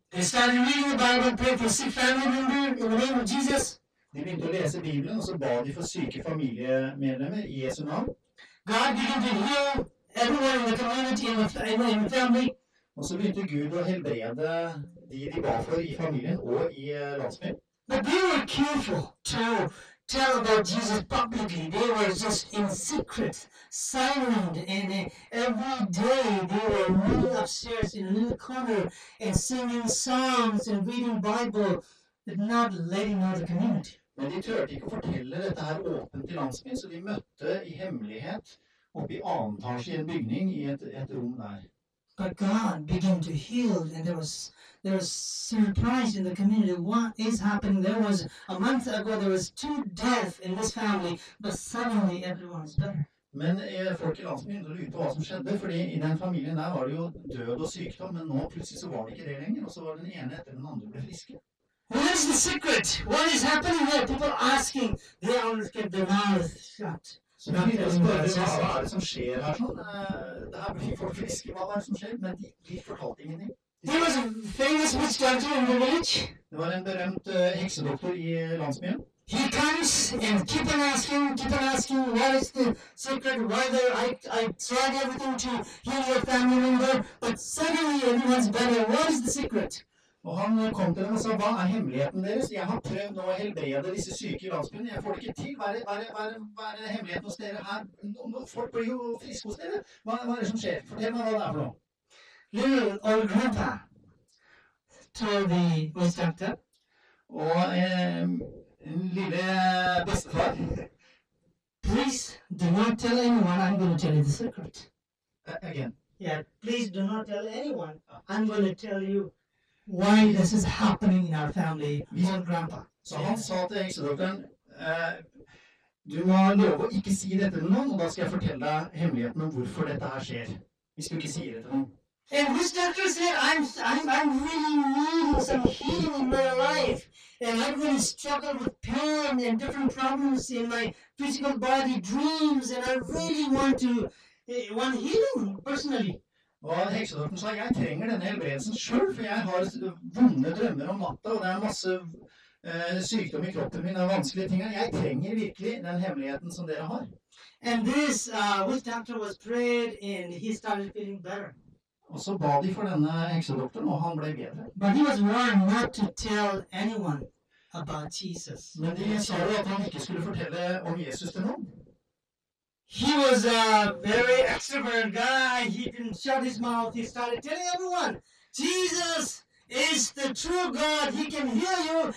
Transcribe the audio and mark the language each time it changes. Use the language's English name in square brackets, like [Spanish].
[English] They started reading the Bible and prayed for sick family member in the name of Jesus. [Norwegian] De begynte å lese Bibelen, og så ba de for syke familiemedlemmer I Jesu navn. [English] God began to heal everyone in the community and in the family. [Norwegian] Og så begynte Gud å helbrede de ba for I familien og I landsbyen. [English] But they were careful to tell about Jesus publicly. They were just in secret, silent, and every day they were kneeling upstairs in a little corner and singing songs and reading Bible, but not letting out the community. [Norwegian] Men de turte ikke å fortelle dette her åpent til landsbyen, så de møtte i hemmelighet oppe i annen etasje i en bygning i et rom der. [English] But God began to heal, and there was surprise in the community. What is happening? There was a month ago, there was two deaths in this family, but suddenly everyone is better. [Norwegian] Men folk i landsbyen begynte å lure på hva som skjedde, fordi i den familien der var det jo død og sykdom, men nå plutselig så var det ikke det lenger, og så var den ene etter den andre ble friske. [English] What is the secret? What is happening here? People asking. They always kept their mouth shut. [Norwegian] Så vi begynte å spørre, hva er det som skjer her sånn? Det her blir folk friske, hva er det som skjer? Men de fortalte ingenting. [English] There was a famous witch doctor in the village. [Norwegian] Det var en berømt heksedoktor i landsbyen. [English] He comes and keep on asking, what is the secret, why there, I tried everything to heal your family member, but suddenly everyone's better, what is the secret? [Norwegian] Og han kom til dem og sa, hva er hemmeligheten deres? Jeg har prøvd å helbrede disse syke i landsbyen, jeg får det ikke til, hva er hemmeligheten hos dere her? Folk blir jo friske hos dere, hva er det som skjer? Fortell meg hva det er for noe. [English] Little old grandpa told the witch doctor. [Norwegian] Og en lille bestefar. [English] Please do not tell anyone, I'm going to tell you the secret. Again. Yeah, please do not tell anyone, I'm going to tell you why this is happening in our family, old grandpa. [Norwegian] Så han sa til heksedoktoren, du må love å ikke si dette til noen, og da skal jeg fortelle deg hemmeligheten om hvorfor dette her skjer, hvis du ikke sier det til noen. [English] And this doctor said, I'm really needing some healing in my life. And I've really struggled with pain and different problems in my physical body, dreams, and I really want healing personally. [Norwegian] Og heksedokten sa, jeg trenger denne helbredelsen selv, for jeg har vonde drømmer om natta, og det er masse sykdom i kroppen min, og vanskelige ting. Jeg trenger virkelig den hemmeligheten som dere har. [English] And this witch doctor was prayed, and he started feeling better. [Norwegian] Og så ba de for denne heksedoktoren, og han ble bedre. [English] But he was warned not to tell anyone about Jesus. [Norwegian] Men de sa jo at han ikke skulle fortelle om Jesus til noen. [English] He was a very extrovert guy. He didn't shut his mouth. He started telling everyone, Jesus is the true God. He can heal you.